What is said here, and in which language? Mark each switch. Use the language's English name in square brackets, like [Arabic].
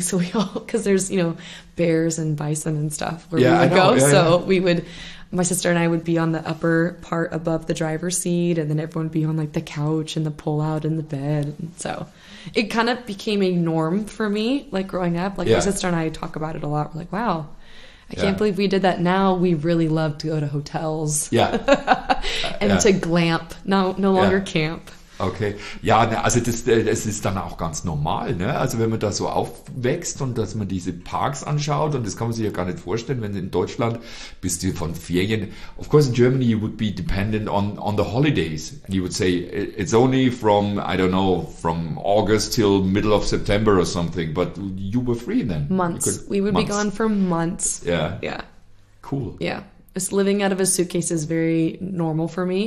[English] So we all, because there's, you know, bears and bison and stuff where we would, my sister and I would be on the upper part above the driver's seat. And then everyone would be on like the couch and the pullout and the bed. And so it kind of became a norm for me, like growing up. Like my sister and I talk about it a lot. We're like, wow, I can't believe we did that. Now we really love to go to hotels. Yeah. And to glamp. No longer camp. Okay. [German] Ja, also das ist dann auch ganz normal, ne? Also wenn man da so aufwächst und dass man diese Parks anschaut, und das kann man sich ja gar nicht vorstellen, wenn in Deutschland bist du von Ferien. [English] Of course in Germany you would be dependent on the holidays. And you would say it's only from, I don't know, from August till middle of September or something, but you were free then. We would be gone for months. Yeah. Yeah. Cool. Yeah. Just living out of a suitcase is very normal for me.